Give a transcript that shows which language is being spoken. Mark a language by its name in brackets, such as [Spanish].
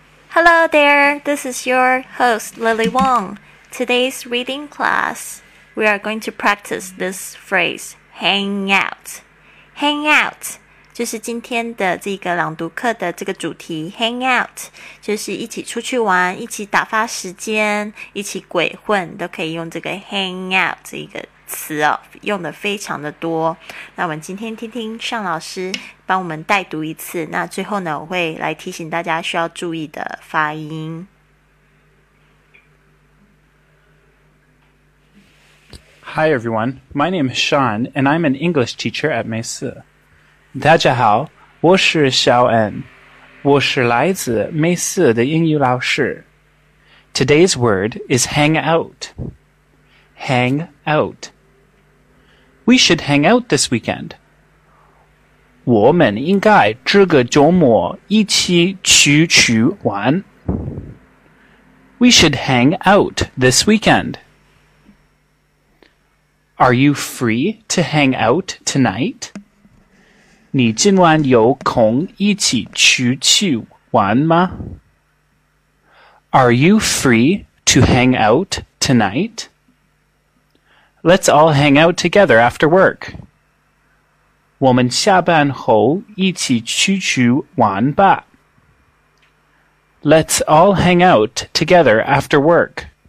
[English] Hello there, this is your host Lily Wong. Today's reading class, we are going to practice this phrase, hang out. [Chinese] Hang out, 就是今天的这个朗读课的这个主题 hang out, 就是一起出去玩，一起打发时间，一起鬼混，都可以用这个 hang out 这个词哦，用的非常的多。那我们今天听听尚老师帮我们带读一次，那最后呢，我会来提醒大家需要注意的发音。 [English] Hi everyone, my name is Sean, and I'm an English teacher at 美四。 [Chinese] 大家好，我是小恩，我是来自美四的英语老师。 [English] Today's word is hang out. Hang out. We should hang out this weekend. [Chinese] 我们应该这个周末一起出去玩。 [English] We should hang out this weekend. Are you free to hang out tonight? [Chinese] 你今晚有空一起出去玩吗? [English] Are you free to hang out tonight? Let's all hang out together after work. [Chinese] 我们下班后一起出去玩吧。 [English] Let's all hang out together after work.